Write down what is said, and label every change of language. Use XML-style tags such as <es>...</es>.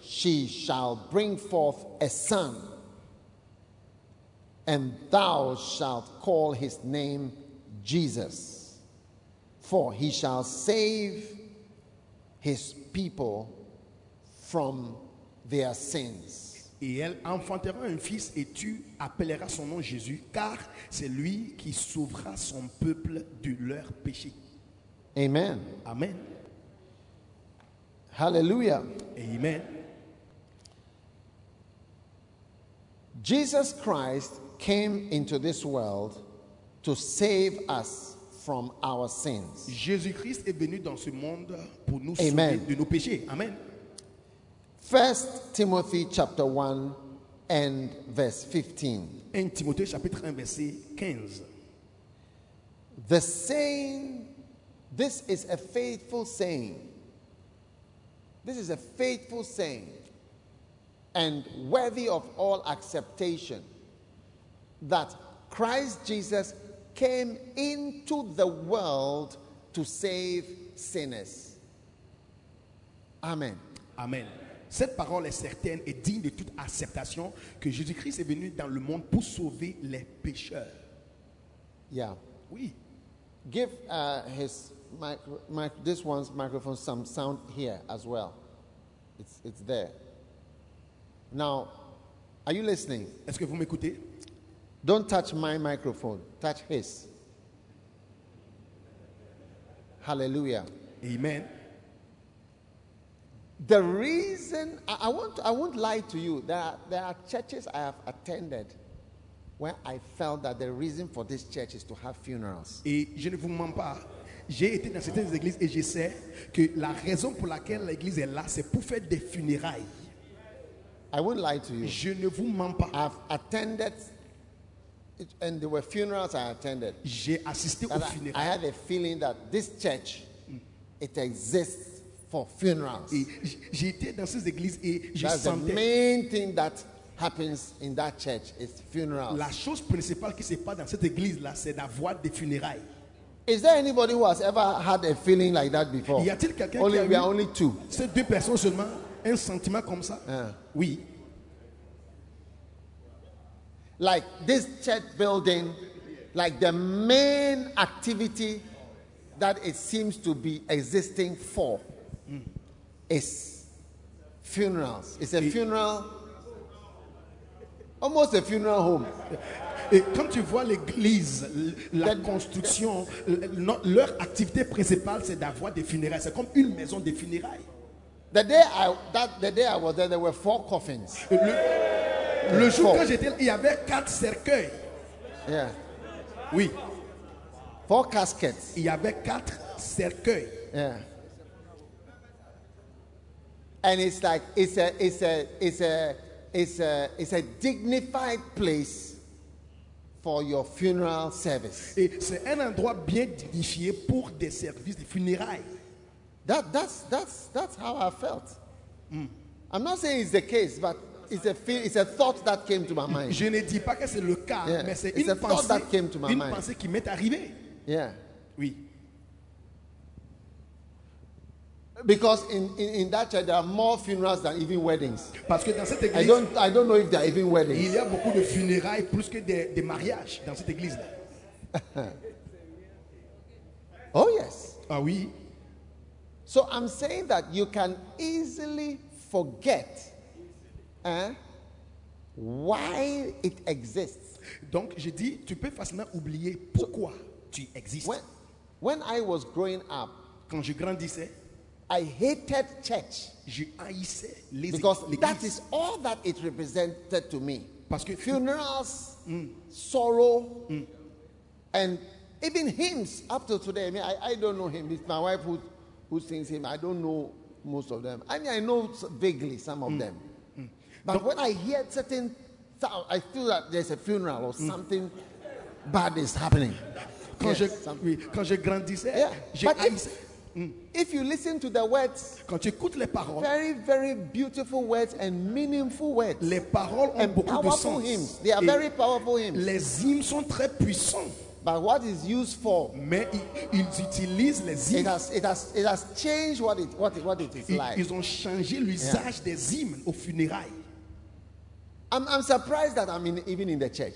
<en>She shall bring forth a son, and thou shalt call his name Jesus, for he shall save his people from their sins.</en> <fr>Et elle enfantera un fils, et tu appelleras son nom Jésus, car c'est lui qui sauvera son peuple de leurs péchés.</fr> <en>Amen. Amen. Hallelujah. Amen. Jesus Christ came into this world to save us from our sins.</en> <fr>Jésus-Christ est venu dans ce monde pour nous sauver de nos péchés.</fr> <en>Amen. 1 Timothy chapter 1 and verse 15.</en> <fr>1 Timothée chapitre 1 verset 15.</fr> <en>The saying, this is a faithful saying. This is a faithful saying and worthy of all acceptation, that Christ Jesus came into the world to save sinners. Amen. Amen.</en> <fr>Cette parole est certaine et digne de toute acceptation, que Jésus-Christ est venu dans le monde pour sauver les pécheurs.</fr> <en>Yeah.</en> <fr>Oui.</fr> <en>Give his mic, this one's microphone some sound here as well. It's there. Now, are you listening?</en> <fr>Est-ce que vous m'écoutez?</fr> <en>Don't touch my microphone. Touch his. Hallelujah. Amen. The reason I won't lie to you, that there are churches I have attended where I felt that the reason for this church is to have funerals.</en> <fr>Et je ne vous mens pas. J'ai été dans certaines églises et je sais que la raison pour laquelle l'église est là, c'est pour faire des funérailles.</fr> <en>I won't lie to you.</en> <fr>Je ne vous mens pas.</fr> <en>I've attended and there were funerals I attended.</en> <fr>J'ai assisté aux funérailles.</fr> <en>I had a feeling that this church it exists for funerals.</en> <fr>J'étais dans ces églises et je sentais.</fr> <en>That's the main thing that happens in that church is funerals.</en> <fr>La chose principale qui se passe dans cette église là, c'est d'avoir des funérailles.</fr> <en>Is there anybody who has ever had a feeling like that before?</en> <fr>Y a-t-il quelqu'un</fr> <en>only,</en> <fr>qui a</fr> <en>we are only two.</en> <fr>C'est deux personnes seulement. Un sentiment comme ça? Oui.</fr> <en>Like this church building, like the main activity that it seems to be existing for. It's funerals. It's a funeral, almost a funeral home.</en> <fr>Et quand tu vois l'église, la construction, leur activité principale, c'est d'avoir des funérailles. C'est comme une maison de funérailles.</fr> <en>The day I was there, there were four coffins.</en> <fr>Le jour</fr> <en>four.</en> <fr>Quand j'étais, il y avait quatre cercueils.</fr> <en>Yeah.</en> <fr>Oui.</fr> <en>Four caskets.</en> <fr>Il y avait quatre cercueils.</fr> <en>Yeah. And it's like it's a dignified place for your funeral service.</en> <fr>Et c'est un endroit bien dignifié pour des services de funérailles.</fr> <en>That's how I felt. I'm not saying it's the case, but it's a thought that came to my mind.</en> <fr>Je ne dis pas que c'est le cas, yeah. Mais c'est</fr> <en>it's</en> <fr>une</fr> <en>a thought</en> <fr>pensée,</fr> <en>that came to my mind.</en> <fr>Une pensée qui m'est arrivée.</fr> <en>Yeah.</en> <fr>Oui.</fr> <en>Because in that church there are more funerals than even weddings.</en> <fr>Parce que dans cette église,</fr> <en>I don't know if there are even weddings.</en> <fr>Il y a beaucoup de funérailles plus que des mariages dans cette église là.</fr> <en>Oh yes.</en> <fr>Ah oui.</fr> <en>So I'm saying that you can easily forget why it exists.</en> <fr>Donc je dis tu peux facilement oublier pourquoi so, tu existes.</fr> <en>When I was growing up,</en> <fr>quand je grandissais,</fr> <en>I hated church</en> <fr>je haïssais les</fr> <en>because that is all that it represented to me.</en> <fr>Parce que</fr> <en>funerals, sorrow, and even hymns up to today. I mean, I don't know him. It's my wife who sings him. I don't know most of them. I mean, I know vaguely some of them. But when I hear certain sounds, I feel that there's a funeral or something bad is happening.</en> <fr>Quand je grandissais,</fr> <en>if you listen to the words,</en> <fr>quand tu écoutes les paroles,</fr> <en>very, very beautiful words and meaningful words,</en> <fr>les paroles ont beaucoup de sens.</fr> <en>Hymns. They are very powerful hymns.</en> <fr>Les hymns sont très puissants.</fr> <en>But what is used for?</en> <fr>Mais ils utilisent les hymnes.</fr> <en>It has changed what it is like.</en> <fr>Ils ont changé l'usage des hymnes aux funérailles.</fr> <en>I'm surprised that I'm even in the church.</en>